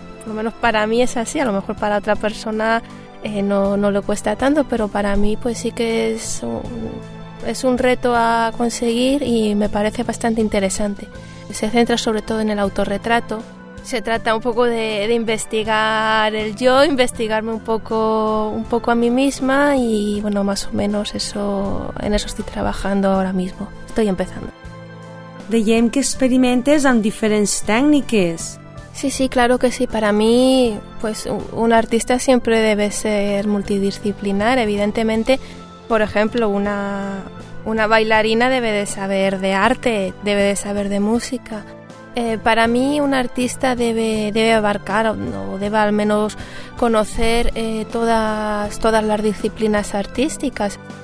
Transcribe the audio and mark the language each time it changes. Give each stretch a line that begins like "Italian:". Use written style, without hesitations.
Spanish: Por lo menos para mí es así, a lo mejor para otra persona no le cuesta tanto, pero para mí pues sí que es un reto a conseguir y me parece bastante interesante. Se centra sobre todo en el autorretrato. Se trata un poco de investigar el yo, investigarme un poco a mí misma y bueno, más o menos en eso estoy trabajando ahora mismo. Estoy empezando.
Catalan: Veiem que experimentes amb diferents tècniques.
Spanish: Sí, sí, claro que sí. Para mí, pues un artista siempre debe ser multidisciplinar, evidentemente. Por ejemplo, una bailarina debe de saber de arte, debe de saber de música. Para mí, un artista debe abarcar o debe al menos conocer todas las disciplinas artísticas.